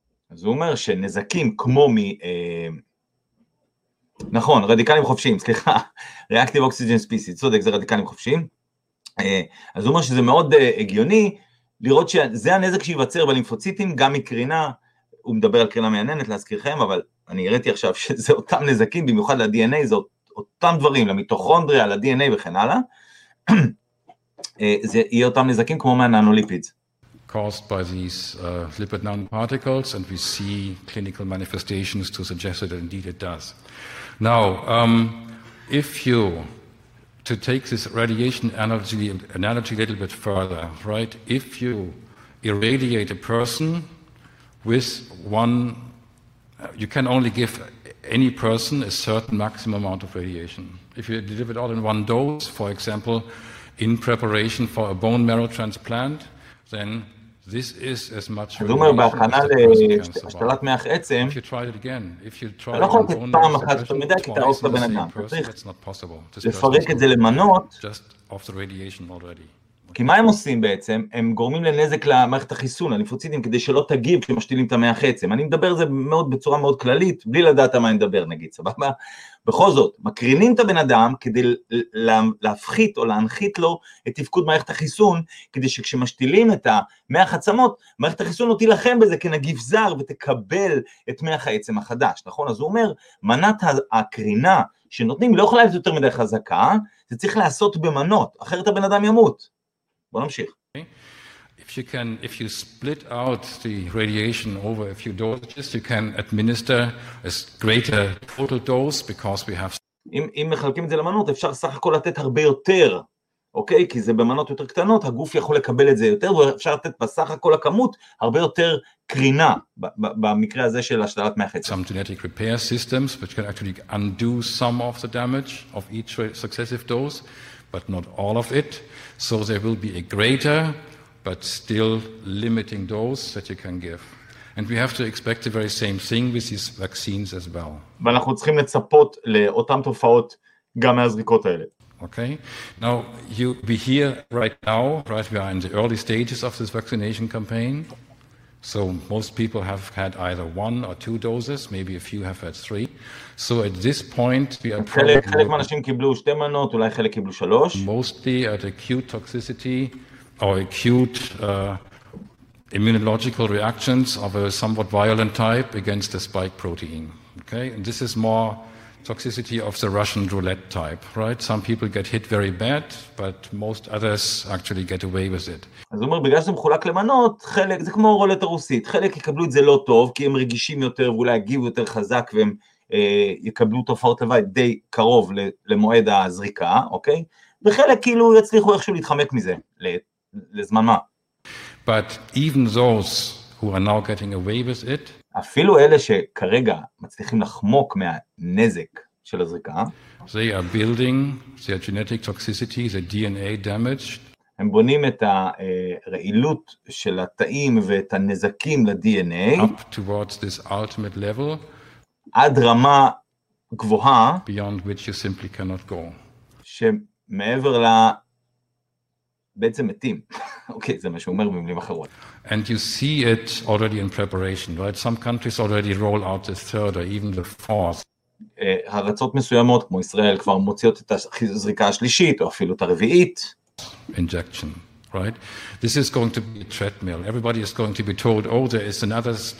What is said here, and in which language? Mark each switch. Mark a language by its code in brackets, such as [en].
[he] אז הוא אומר שנזקים כמו מ... נכון, רדיקלים חופשיים, סליחה. Reactive Oxygen Species, צודק, זה רדיקלים חופשיים. אז הוא אומר שזה מאוד הגיוני לראות שזה הנזק שיבצר בלימפוציטים, גם מקרינה, הוא מדבר על קרינה מייננת להזכירכם, אבל אני הראיתי עכשיו שזה אותם נזקים, במיוחד ל-DNA, זה אותם דברים, למיטוכונדריה, ל-DNA וכן הלאה. זה יהיה אותם נזקים כמו מהננוליפידס. [en] Caused by these lipid nanoparticles, and we see clinical manifestations to suggest that indeed it does. Now, if you to take this radiation analogy a little bit further, right? If you irradiate a person with one, you can only give any person a certain maximum amount of radiation. If you deliver it all in one dose, for example, in preparation for a bone marrow transplant, then this is as much [he] as אומר בהכנה להשתלת מח עצם. [en] If you try it again, if you try [he] לא יכול לתת פעם אחת, אתה מדי כי תהרוס את הבן אדם, צריך לפרק את זה למנות. [en] Just off the radiation already. [he] כי מה הם עושים בעצם? הם גורמים לנזק למערכת החיסון, הלימפוציטים, כדי שלא תגיב כשמשתילים את המח עצם. אני מדבר על זה מאוד בצורה מאוד כללית, בלי לדעת מה אני מדבר נגיד, סבבה? בכל זאת, מקרינים את הבן אדם כדי להפחית או להנחית לו את תפקוד מערכת החיסון, כדי שכשמשתילים את המח עצמות, מערכת החיסון לא תילחם בזה כנגיף זר ותקבל את מח העצם החדש, נכון? אז הוא אומר, מנת הקרינה שנותנים לא יכולה להיות יותר מדי חזקה, זה צריך לעשות במנות, אחרת הבן אדם ימות. בוא נמשיך. [en] If you split out the radiation over a few doses, you can administer a greater total dose because we have... [he] אם מחלקים את זה למנות, אפשר סך הכל לתת הרבה יותר, אוקיי? כי זה במנות יותר קטנות, הגוף יכול לקבל את זה יותר, ואפשר לתת בסך הכל הכמות הרבה יותר קרינה, במקרה הזה של השתלת מח עצם. [en] Some genetic repair systems, which can actually undo some of the damage of each successive dose, but not all of it, so there will be a greater... but still limiting dose that you can give. And we have to expect the very same thing with these vaccines as well. [he] ואנחנו צריכים לצפות לאותם תופעות גם מהזריקות האלה. [en] Okay. Now, we're here right now, right? We are in the early stages of this vaccination campaign. So most people have had either one or two doses, maybe a few have had three. So at this point, we are probably... [he] חלק מהאנשים קיבלו שתי מנות, אולי חלק קיבלו שלוש. [en] Mostly at acute toxicity, or acute immunological reactions of a somewhat violent type against the spike protein, okay? And this is more toxicity of the Russian roulette type, right? Some people get hit very bad, but most others actually get away with it. [he] אז אומר, בגלל שזה מחולק למנות, חלק, זה כמו רולטה רוסית, חלק יקבלו את זה לא טוב, כי הם רגישים יותר ואולי יגיבו יותר חזק, והם יקבלו תופעות לוואי די קרוב למועד הזריקה, אוקיי? וחלק כאילו יצליחו איכשהו להתחמק מזה, לזמן מה. [en] But even those who are now getting away with it, [he] אפילו אלה שכרגע מצליחים לחמוק מהנזק של הזריקה, [en] they are building their genetic toxicity, their DNA damage. [he] הם בונים את הרעילות של התאים ואת הנזקים ל-DNA [en] up towards this ultimate level, [he] עד רמה גבוהה [en] beyond which you simply cannot go, [he] שמעבר ל בעצם מתים. אוקיי, זה מה שהוא אומר במילים אחרות. [en] And you see it already in preparation, right? Some countries already roll out the third or even the fourth. [he] הרצות מסוימות, כמו ישראל, כבר מוציאות את הזריקה השלישית, או אפילו את הרביעית. [en] Injection, right? This is going to be a treadmill. Everybody is going to be told, oh, there is another